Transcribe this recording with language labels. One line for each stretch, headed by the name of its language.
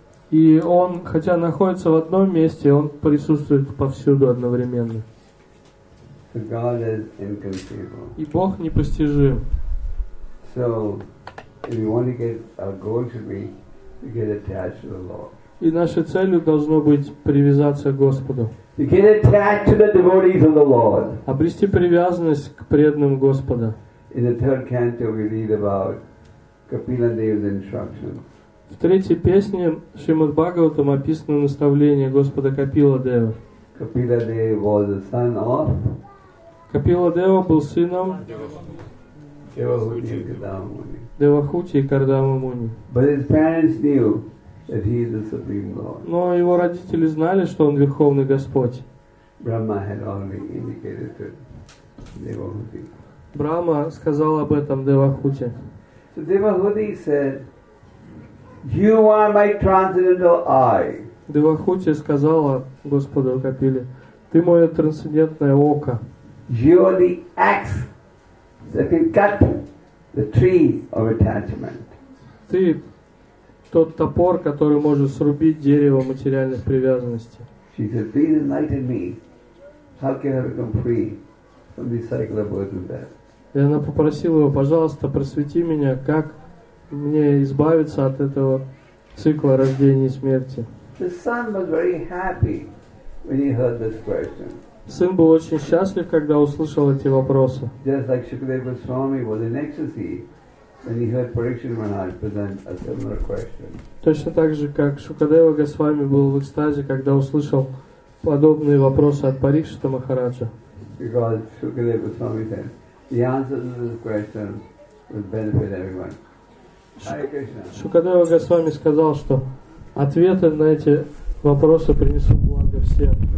Russian: И он, хотя находится в одном месте, он присутствует повсюду одновременно.
English: So God is inconceivable.
Russian: И Бог непостижим.
English: So, if you want to get our goal should be to get attached to the Lord.
Russian: И нашей целью должно быть привязаться к Господу.
English: Get attached to the devotees of the Lord.
Russian: Обрести привязанность к преданным Господа.
English: In the third canto we read about Kapila Dev's instructions.
Russian: В третьей песне Шримад Бхагаватам описано наставление Господа Капила Дева.
English: Kapila Dev was the son of.
Russian: Капила Дева был сыном Девахути и Кардамамуни. Девахути и Кардамамуни.
English: But his parents knew that he is the Supreme Lord.
Russian: Но его родители знали, что он Верховный Господь.
English: Brahma had already indicated to Devahuti.
Russian: Брама сказал об этом Девахути.
English: So Devahuti said, "You are my transcendental eye."
Russian: Девахути сказала Господу Капиле, Ты мое трансцендентное око.
English: Jewelry axe that can cut the tree of attachment.
Russian: Ты тот топор, который может срубить дерево материальных привязанностей.
English: She said, "Be enlightened me. How can I become free from this cycle of birth and death?"
Russian: И она попросила его: пожалуйста, просвети меня, как мне избавиться от этого цикла рождения и смерти.
English: The son was very happy when he heard this question.
Russian: Сын был очень счастлив, когда услышал эти вопросы.
English: Just like Shukadeva Swami was in ecstasy when he heard Parikshit Maharaj present a similar question.
Russian: Точно так же, как Шукадева Госвами был в экстазе, когда услышал подобные вопросы от Парикшита Махараджа.
English: Because Shukadeva Swami said, the answer to this question would benefit everyone.
Russian: Шукадева Госвами сказал, что ответы на эти вопросы принесут благо всем.